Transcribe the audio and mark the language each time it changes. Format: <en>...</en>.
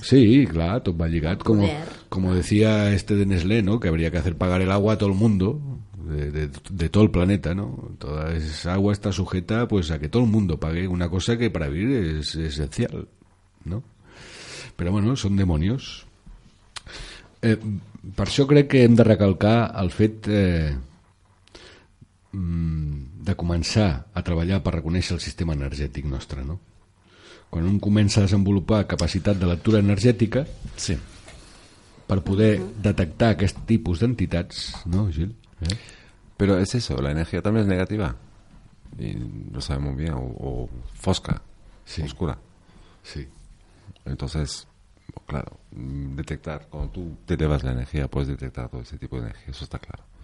<ca>Sí, clar, tot va lligat.</ca> <es>Como decía este de Nestlé, ¿no? Que habría que hacer pagar el agua a todo el mundo, de todo el planeta, ¿no? Toda esa agua está sujeta pues a que todo el mundo pague una cosa que para vivir es esencial, ¿no? Pero bueno, son demonios.</es> <ca>Per això crec que hem de recalcar el fet de començar a treballar per reconèixer el sistema energètic nostre, no? Quan un comença a desenvolupar capacitat de lectura energètica, sí, per poder detectar aquest tipus d'entitats, no, Gil?</ca> <es>Pero es eso, la energía también es negativa y lo sabemos bien,</es> <ca>o fosca,</ca> <es>sí, oscura. Sí. Entonces, claro, detectar, cuando tú te llevas la energía, puedes detectar todo ese tipo de energía, eso está claro.</es>